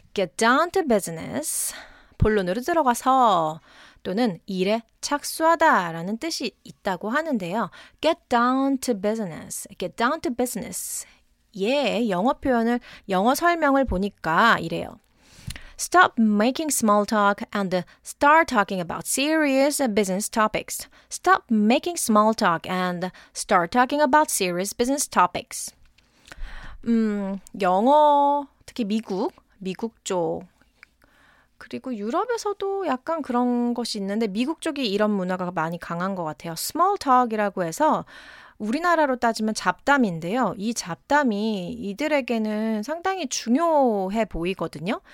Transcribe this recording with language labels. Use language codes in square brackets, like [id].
[en] Get down to business. [ko] 본론으로 들어가서 또는 일에 착수하다 라는 뜻이 있다고 하는데요. [en] Get down to business. Get down to business. [ko] 예, 영어 표현을, 영어 설명을 보니까 이래요. [en] Stop making small talk and start talking about serious business topics. Stop making small talk and start talking about serious business topics. [ko] 영어, 특히 미국 쪽, 그리고 유럽에서도 약간 그런 것이 있는데 미국 쪽이 이런 문화가 많이 강한 것 같아요. Small talk이라고 해서 우리나라로 따지면 잡담인데요. 이 잡담이 이들에게는 상당히 중요해 보이거든요.